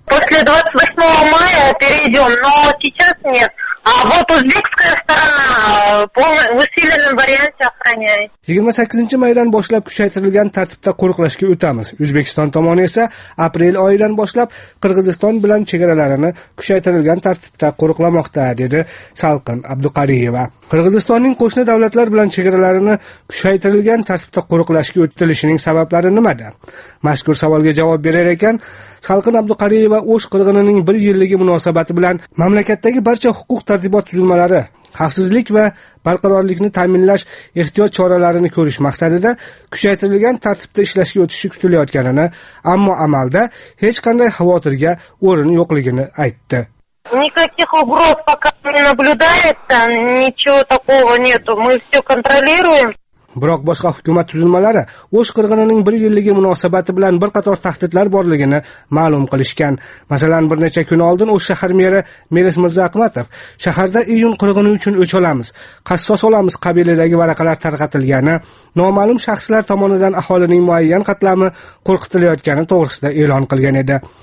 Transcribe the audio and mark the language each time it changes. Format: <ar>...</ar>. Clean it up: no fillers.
<ru>После 28 мая перейдем, но сейчас нет. А вот узбекская сторона в усиленном варианте охраняет.</ru> <uz>28 maydan boshlab kuchaytirilgan tartibda qo'riqlashga o'tamiz. O'zbekiston tomoni esa aprel oyidan boshlab Qirg'iziston bilan chegaralarini kuchaytirilgan tartibda qo'riqlamoqda, dedi Salqin Abduqaliyeva. Qirg'izistonning qo'shni davlatlar bilan chegaralarini kuchaytirilgan tartibda qo'riqlashga o'tilishining sabablari nimada? Mazkur savolga javob berar ekan, Salqin Abduqaliyeva O'sh qirg'inining 1 yilligi munosabati bilan mamlakatdagi barcha huquq-tartibot tuzilmalari xavfsizlik va barqarorlikni ta'minlash ehtiyot choralarini ko'rish maqsadida kuchaytirilgan tartibda ishlashga o'tishi kutilayotganini, ammo amalda hech qanday xavotirga o'rin yo'qligini aytdi.</uz> <ru>Никаких угроз пока не наблюдается, ничего такого нету. Мы всё контролируем.</ru> <uz>Biroq boshqa hukumat tuzilmalari O'sh qirg'inining 1 yilligi munosabati bilan bir qator tahdidlar borligini ma'lum qilishgan. Masalan, bir necha kun oldin O'sh shahar meri Meris Mirza Aqmatov shaharda iyun qirg'ini uchun o'ch olamiz, qassos olamiz qabilidagi varaqalar tarqatilgani, noma'lum shaxslar tomonidan aholining muayyan qatlami qo'rqitilayotgani to'g'risida e'lon qilgan edi.</uz>